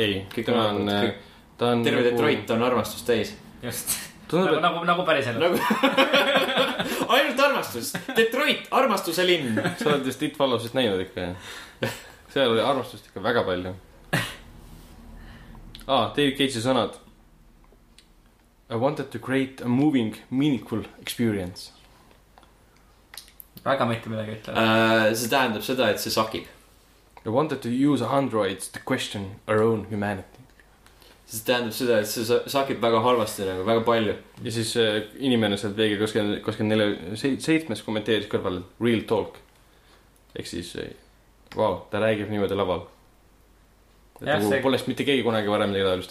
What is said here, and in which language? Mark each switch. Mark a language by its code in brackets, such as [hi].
[et] Ei, kõik on armunud. Ta on terve Detroit on armastus täis. Just. Tundub, nagu päris elu. Ainult armastus. Detroit, armastuse linn. Sa oled just It Followsest näinud ikka. Seal oli armastust ikka väga palju. Ah, David Cage'i sõnad. [en] I wanted to create a moving, meaningful experience. [et] Väga mitte midagi ütlema. See tähendab seda, et see sakib. [en] I wanted to use androids to question our own humanity. [et] See tähendab seda, et see sakib väga halvasti, nagu väga palju. Ja siis inimene seal veegi koskel 47. kommenteeris kõrval, [en] real talk. [et] Eks siis, wow, ta räägib niimoodi laval. Ja, see... Poles mitte keegi kunagi varem tegelikult just